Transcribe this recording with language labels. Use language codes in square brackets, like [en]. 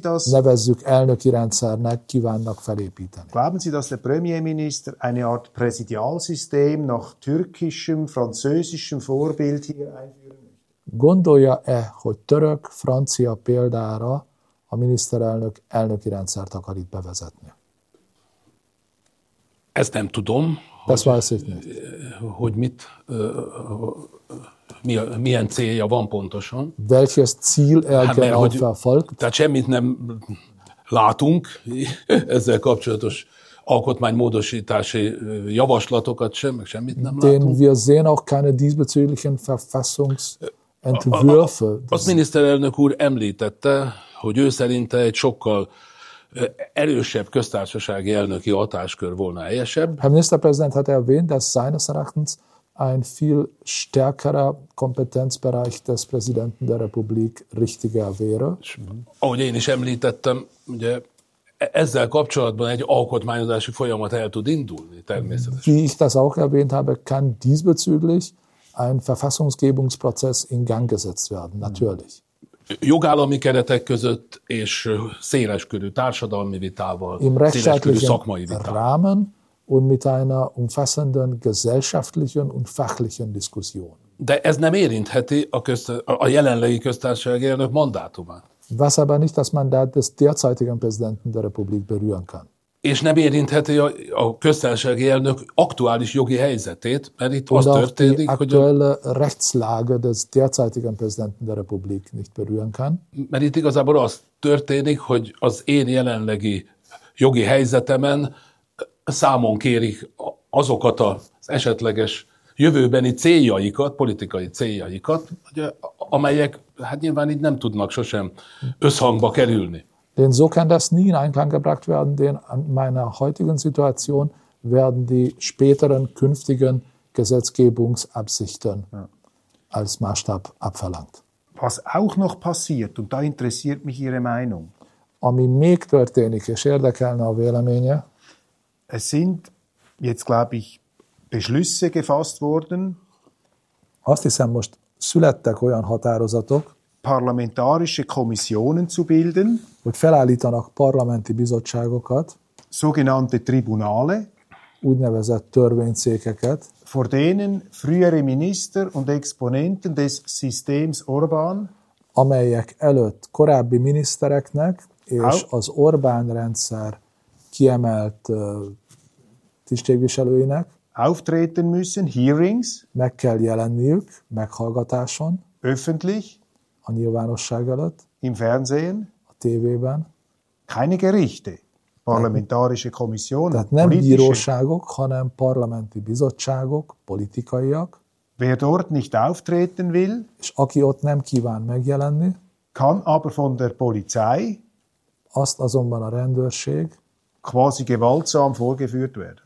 [hu] nevezzük elnöki rendszernek, kívánnak felépíteni. [de] Glauben Sie, dass der Premierminister eine Art Präsidialsystem nach türkischem, französischem Vorbild hier einführen möchte? [hu] Gondolja-e, hogy török, francia példára a miniszterelnök elnöki rendszert akar itt bevezetni? Ezt nem tudom, hogy mit... Milyen célja van pontosan. [de] Welches Ziel er gerade verfolgt? [hu] Tehát semmit nem látunk ezzel kapcsolatos alkotmánymódosítási javaslatokat sem, meg semmit nem látunk. [de] Denn wir sehen auch keine diesbezüglichen Verfassungsentwürfe. [hu] A miniszterelnök úr említette, hogy ő szerinte egy sokkal erősebb köztársasági elnöki hatáskör volna helyesebb. [de] Herr Ministerpräsident hat erwähnt, dass seines Erachtens ein viel stärkerer Kompetenzbereich des Präsidenten der Republik richtiger wäre. [hu] Ahogy én is említettem, ugye ezzel kapcsolatban egy alkotmányozási folyamat el tud indulni természetesen. [de] Wie ich das auch erwähnt habe, kann diesbezüglich ein Verfassungsgebungsprozess in Gang gesetzt werden, natürlich. [hu] Jogállami keretek között és széleskörű társadalmi vitával, széleskörű szakmai vitával. [de] Und mit einer umfassenden gesellschaftlichen und fachlichen Diskussion. [hu] De ez nem érintheti a jelenlegi köztársasági elnök mandátumát. [de] Was aber nicht das Mandat des derzeitigen Präsidenten der Republik berühren kann. [hu] És nem érintheti a köztársasági elnök aktuális jogi helyzetét, mert itt az történik, hogy [de] die aktuelle Rechtslage des derzeitigen Präsidenten der Republik nicht berühren kann. [hu] Mert itt igazából az történik, hogy az én jelenlegi jogi helyzetemen számon kérik azokat az esetleges jövőbeni céljaikat, politikai céljaikat, ugye, amelyek hát nyilván itt nem tudnak sosem összhangba kerülni. [de] Denn so kann das nie in Einklang gebracht werden, denn in meiner heutigen Situation werden die späteren, künftigen Gesetzgebungsabsichten als Maßstab abverlangt. Was auch noch passiert, und da interessiert mich Ihre Meinung. [hu] Ami még történik, és érdekelne a véleménye, [de] es sind jetzt, glaube ich, Beschlüsse gefasst worden. [hu] Azt hiszem, most születtek olyan határozatok, [de] parlamentarische Kommissionen zu bilden, [hu] hogy felállítanak parlamenti bizottságokat, [de] sogenannte Tribunale, [hu] úgynevezett törvényszékeket, [de] vor denen frühere Minister und Exponenten des Systems Orbán, [hu] amelyek előtt korábbi minisztereknek és az Orbán rendszer kiemelt tisztségviselőinek [de] auftreten müssen, hearings, [hu] meg kell jelenniük, meghallgatáson, [de] öffentlich, [hu] a nyilvánosság előtt, [de] im Fernsehen, [hu] a tévében, [de] keine Gerichte, parlamentarische Kommission, [hu] tehát nem bíróságok, hanem parlamenti bizottságok, politikaiak, [de] wer dort nicht auftreten will, [hu] és aki ott nem kíván megjelenni, [de] kann aber von der Polizei, [hu] azt azonban a rendőrség, [de] quasi gewaltsam vorgeführt werden.